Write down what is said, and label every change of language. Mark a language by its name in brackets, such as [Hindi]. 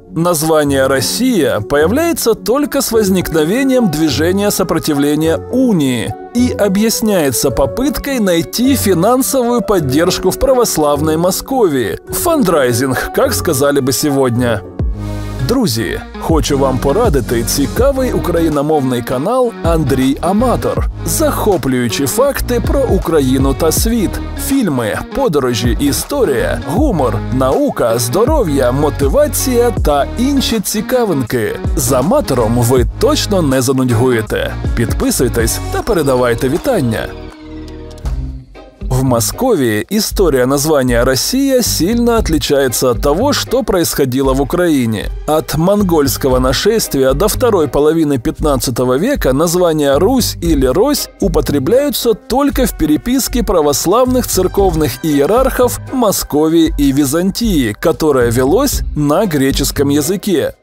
[Russian] Название «Россия» появляется только с возникновением движения сопротивления унии и объясняется попыткой найти финансовую поддержку в православной Московии. Фандрайзинг, как сказали бы сегодня. [Ukrainian] Друзі, хочу вам порадити цікавий україномовний канал «Андрій Аматор». Захоплюючі факти про Україну та світ. Фільми, подорожі, історія, гумор, наука, здоров'я, мотивація та інші цікавинки. З Аматором ви точно не занудьгуєте. Підписуйтесь та передавайте вітання. [Russian] В Москве история названия «Россия» сильно отличается от того, что происходило в Украине. От монгольского нашествия до второй половины 15 века названия «Русь» или «Рось» употребляются только в переписке православных церковных иерархов Московии и Византии, которая велась на греческом языке.